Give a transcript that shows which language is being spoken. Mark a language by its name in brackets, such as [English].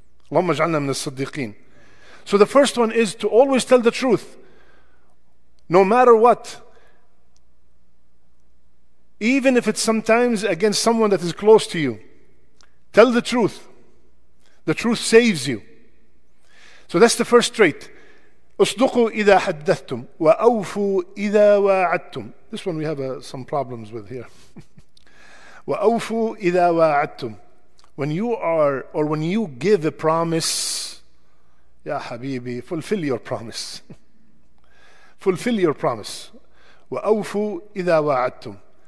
[Arabic] Allahumma ja'alna min as-siddiqeen. [English] So the first one is to always tell the truth, no matter what. Even if it's sometimes against someone that is close to you, tell the truth. The truth saves you. So that's the first trait. [Arabic] أصدقوا إذا حدثتم وأوفوا إذا وعدتم. [English] This one we have some problems with here. [Arabic] وأوفوا إذا وعدتم. [English] When you are, or when you give a promise, [Arabic] يا حبيبي, [English] fulfill your promise. Fulfill your promise. [Arabic] وأوفوا إذا وعدتم.